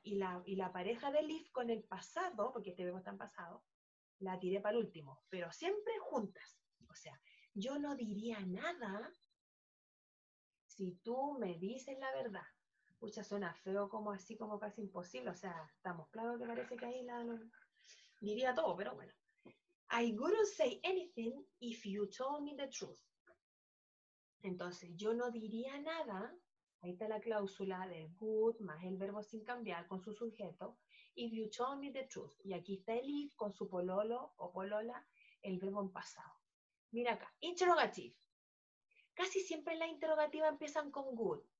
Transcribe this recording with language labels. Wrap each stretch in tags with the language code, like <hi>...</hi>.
<es>Y la pareja del if con el pasado, porque este verbo está en pasado, la tiré para el último. Pero siempre juntas. O sea, yo no diría nada si tú me dices la verdad. Pucha, suena feo, como así, como casi imposible. O sea, estamos claros que parece que ahí la diría todo, pero bueno.</es> <en>I wouldn't say anything if you told me the truth.</en> <es>Entonces, yo no diría nada. Ahí está la cláusula del good más el verbo sin cambiar con su sujeto.</es> <en>If you told me the truth.</en> <es>Y aquí está el if con su pololo o polola, el verbo en pasado. Mira acá, interrogative. Casi siempre en la interrogativa empiezan con good.</es>